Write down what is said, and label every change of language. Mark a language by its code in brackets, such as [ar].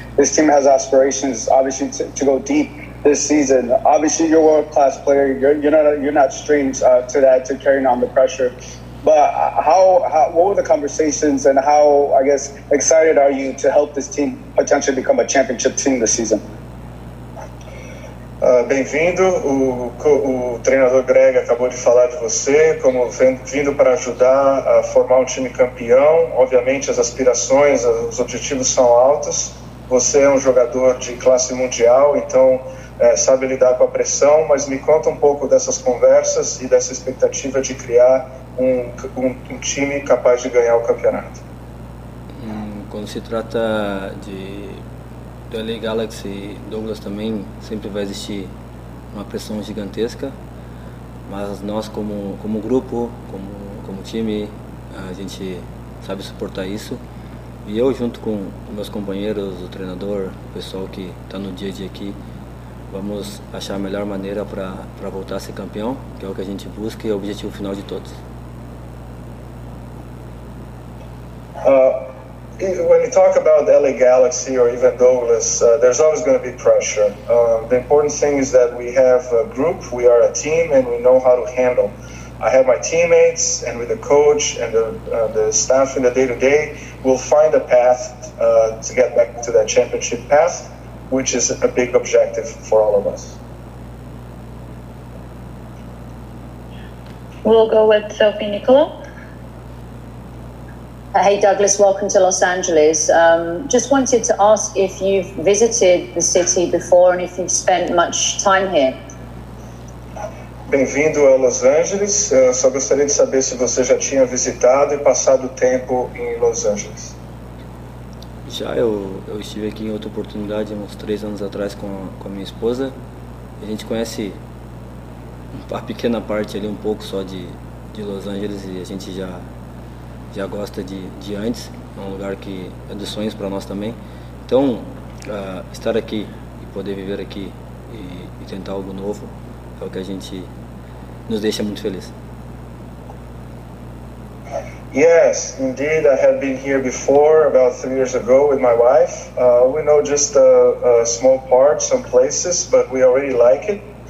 [en] This team has aspirations, obviously, to go deep this season. Obviously, you're a world-class player. You're not strange to that, to carrying on the pressure. But how what were the conversations, and how, I guess, excited are you to help this team potentially become a championship team this season? [pt] Bem-vindo, o treinador Greg acabou de falar de você, como vindo para ajudar a formar um time campeão. Obviamente as aspirações, os objetivos são altos. Você é um jogador de classe mundial, então sabe lidar com a pressão, mas me conta um pouco dessas conversas e dessa expectativa de criar um time capaz de ganhar o campeonato. Quando se trata de LA Galaxy, Douglas, também sempre vai existir uma pressão gigantesca, mas nós como grupo, como time, a gente sabe suportar isso. E eu, junto com meus companheiros, o treinador, o pessoal que está no dia a dia aqui, vamos achar a melhor maneira para voltar a ser campeão, que é o que a gente busca e é o objetivo final de todos. [en] When you talk about LA Galaxy or even Douglas, there's always going to be pressure. The important thing is that we have a group, we are a team, and we know how to handle. I have my teammates, and with the coach and the staff in the day-to-day, we'll find a path to get back to that championship path, which is a big objective for all of us. We'll go with Sophie Nicolo. Hey, Douglas, welcome to Los Angeles. Just wanted to ask if you've visited the city before and if you've spent much time here. [pt] Bem-vindo a Los Angeles. Só gostaria de saber se você já tinha visitado e passado tempo em Los Angeles. Já, eu estive aqui em outra oportunidade uns 3 anos atrás com a minha esposa. A gente conhece uma pequena parte ali, um pouco só de Los Angeles, e a gente já gosta de antes, é um lugar que é dos sonhos para nós também. Então, estar aqui e poder viver aqui e tentar algo novo é o que a gente nos deixa muito feliz. [en] Yes, indeed, I have been here before, about 3 years ago, with my wife. We know just a small part, some places, but we already like it.